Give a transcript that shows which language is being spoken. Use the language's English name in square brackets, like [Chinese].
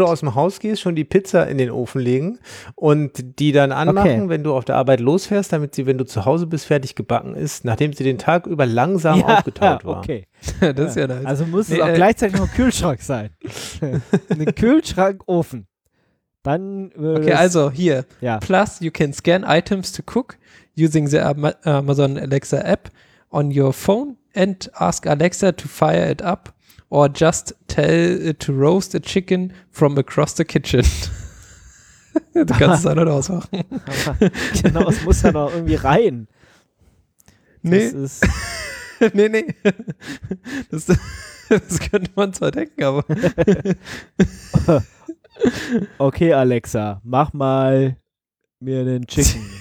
[German] du aus dem Haus gehst, schon die Pizza in den Ofen legen und die dann anmachen, okay, wenn du auf der Arbeit losfährst, damit sie, wenn du zu Hause bist, fertig gebacken ist, nachdem sie den Tag über langsam aufgetaut war. Okay. Das ist ja nice. Also muss es auch gleichzeitig noch ein Kühlschrank sein. Ein Kühlschrank-Ofen. Dann okay, das, also hier. Ja. [English] Plus, you can scan items to cook using the Amazon Alexa app on your phone and ask Alexa to fire it up. Or just tell it to roast a chicken from across the kitchen. [German] Du kannst es auch nicht ausmachen. Genau, es muss ja noch irgendwie rein. Nee. Das ist nee. Das könnte man zwar denken, aber. Okay, Alexa, mach mal mir einen Chicken.